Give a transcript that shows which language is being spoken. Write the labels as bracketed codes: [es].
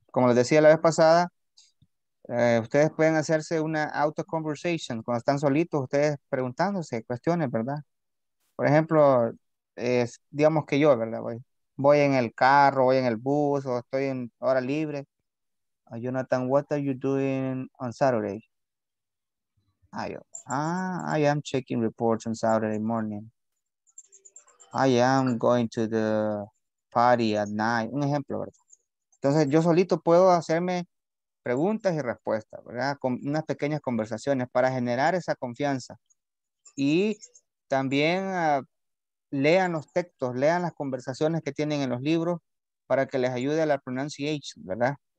[es] Como les decía la vez pasada, ustedes pueden hacerse una auto conversation cuando están solitos, ustedes preguntándose cuestiones, ¿verdad? Por ejemplo, digamos que yo, ¿verdad? Voy en el carro, voy en el bus, o estoy en hora libre. [en] Oh, Jonathan, what are you doing on Saturday? I am checking reports on Saturday morning. I am going to the party at night. [es] Un ejemplo, ¿verdad? Entonces, yo solito puedo hacerme preguntas y respuestas, ¿verdad? Con unas pequeñas conversaciones para generar esa confianza. Y también lean los textos, lean las conversaciones que tienen en los libros para que les ayude a la pronunciation, ¿verdad?